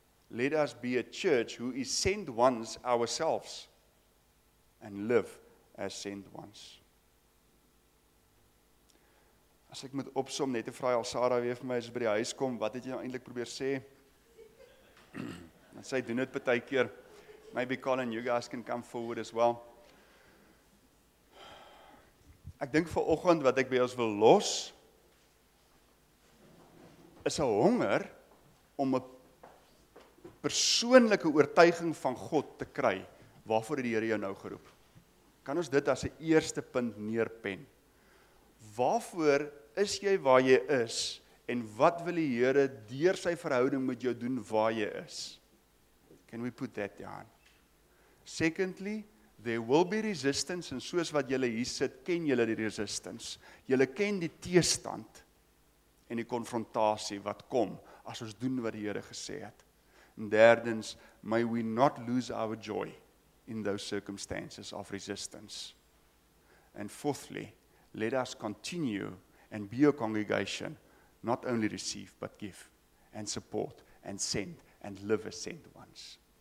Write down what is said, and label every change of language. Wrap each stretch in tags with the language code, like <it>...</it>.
<en>Let us be a church who is sent ones ourselves and live as sent ones.</en> <af>As ek moet opsom, net te vraag al Sarah weer vir my as by die huis kom, wat het jy nou eindelijk probeer sê? En sy doen het partij keer.</af> <en>Maybe Colin, you guys can come forward as well.</en> <af>Ek dink vir oggend wat ek by ons wil los, is 'n honger om 'n persoonlike oortuiging van God te kry, waarvoor het die Here jou nou geroep. Kan ons dit as 'n eerste punt neerpen? Waarvoor is jy waar jy is, en wat wil die Here deur sy verhouding met jou doen waar jy is?</af> <en>Can we put that down? Secondly, there will be resistance,</en> <af>en soos wat jy hier sit, ken jy die resistance. Jy ken die teestand en die konfrontasie wat kom, as ons doen wat die Here gesê het.</af> <en>And derdens, may we not lose our joy in those circumstances of resistance. And fourthly, let us continue and be a congregation, not only receive, but give, and support, and send, and live as sent ones.</en>